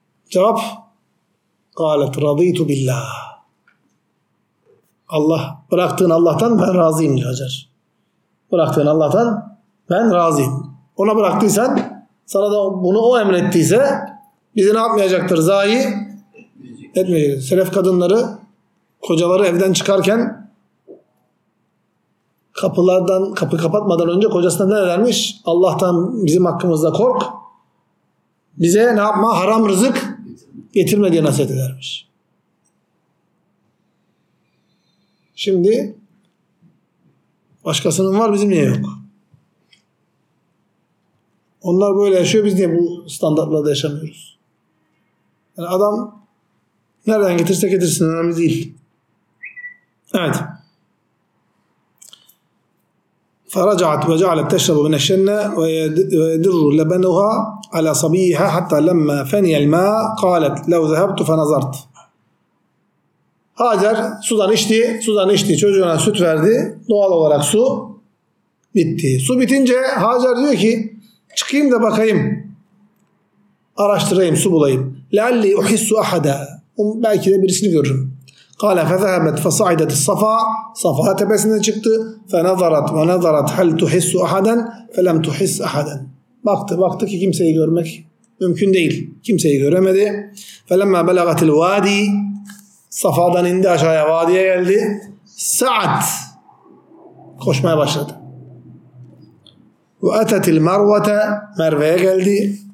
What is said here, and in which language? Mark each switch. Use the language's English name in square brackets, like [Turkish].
[Turkish] Cevap [Arabic] قَالَتْ رَضِيْتُ بِاللّٰهِ. [Turkish] Allah, bıraktığın Allah'tan ben razıyım diyor Hacer. Bıraktığın Allah'tan ben razıyım. Ona bıraktıysan, sana da bunu o emrettiyse bizi ne yapmayacaktır? Zayi etmeyecek. Selef kadınları kocaları evden çıkarken kapılardan kapı kapatmadan önce kocasına ne dermiş? Allah'tan bizim hakkımızda kork. Bize ne yapma? Haram rızık getirme diye nasihat edermiş. Şimdi Başkasının var, bizim niye yok? Onlar böyle yaşıyor, biz niye bu standartlarda yaşamıyoruz? Yani adam nereden getirse getirsin, önemli değil. Evet. [Arabic] فرجعت وجعلت تشرب من الشنة ويدر لبنها على صبيها حتى لما فني الماء قالت لو ذهبت فنظرت. [Turkish] Hacer sudan içti, sudan içti, çocuğuna süt verdi, doğal olarak su bitti. Su bitince Hacer diyor ki çıkayım da bakayım, araştırayım, su bulayım. [Arabic] لَعَلِّي أُحِسُّ أَحَدًا, [Turkish] belki de birisini görürüm. [Arabic] قَالَ فَذَهَبَتْ فَصَعِدَتِ الصَّفَا, [Turkish] Safa tepesine çıktı. [Arabic] فَنَظَرَتْ وَنَظَرَتْ هَلْ تُحِسُّ أَحَدًا فَلَمْ تُحِسْ أَحَدًا. [Turkish] Baktı baktı ki kimseyi görmek mümkün değil, kimseyi göremedi. [Arabic] فَلَمَّا بَلَغَتِ الْوَادِي, [Turkish] Safa'dan indi aşağıya, vadiye geldi. [Arabic] سَعَتْ, [Turkish] koşmaya başladı. [Arabic] وَأَتَتِ الْمَرْوَةَ, [Turkish] Merve'ye geldi.